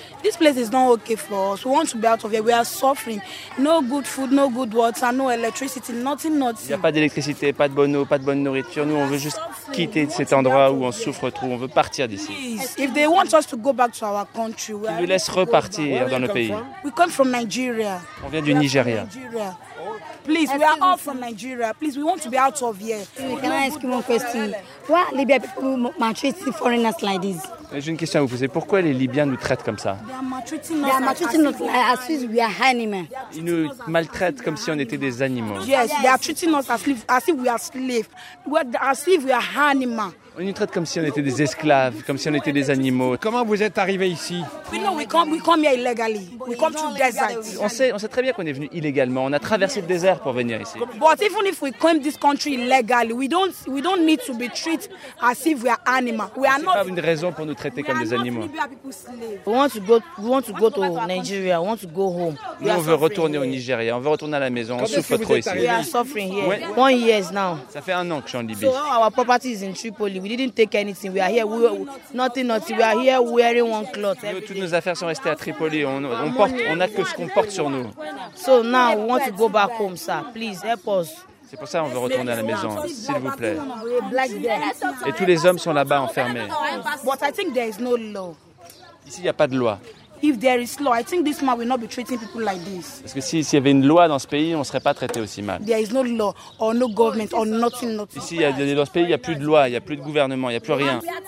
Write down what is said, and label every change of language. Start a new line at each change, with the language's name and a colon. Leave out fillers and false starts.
English: This place is not okay for us. We want to be out of here. We are suffering. No good food, no good water, no electricity, nothing, nothing.
French: Il y a pas d'électricité, pas de bonne eau, pas de bonne nourriture. Nous, on veut juste quitter cet endroit où on souffre trop. On veut partir d'ici.
English: If they want us to go back to our country,
French: ils nous laissent repartir dans le pays.
English: We come from Nigeria.
French: On vient du Nigeria.
English: Please, we are all from Nigeria. Please, we want to be out of here. Can I ask you one question? Why Libyan people maltreat foreigners like this?
French: J'ai une question à vous poser. Pourquoi les Libyens nous traitent comme ça? Ils nous maltraitent comme si on était des animaux.
English: Yes, they are treating us as if we are slaves. As if we are animals.
French: On nous traite comme si on était des esclaves, comme si on était des animaux. Comment vous êtes arrivés ici?
English: We come here illegally. We come through desert.
French: On sait très bien qu'on est venu illégalement. On a traversé le désert pour venir ici.
English: But even if we come this country illegally, we don't need to be treated as if we are animal. We are not.
French: C'est pas une raison pour nous traiter comme des animaux.
English: We want to go to Nigeria. We want to go home.
French: Nous, on veut retourner au Nigeria. On veut retourner à la maison. On souffre trop ici.
English: We are suffering here. Yeah. Yeah. 1 year now.
French: Ça fait un an que je suis en Libye.
English: So our property is in Tripoli. We didn't take anything. We are here. We are here wearing one cloth.
French: Toutes nos affaires sont restées à Tripoli. On a que ce qu'on porte sur nous.
English: So now we want to go back home, sir. Please help us.
French: C'est pour ça qu'on veut retourner à la maison, s'il vous plaît. Et tous les hommes sont là-bas enfermés.
English: But I think there is no law.
French: Ici, il n'y a pas de loi.
English: If there is law, I think this man will not be treating people like this.
French: Parce que s'il y avait une loi dans ce pays, on serait pas traité aussi mal.
English: There is no law or no government or nothing, nothing.
French: Ici, dans ce pays, il y a plus de loi, il y a plus de gouvernement, il y a plus rien.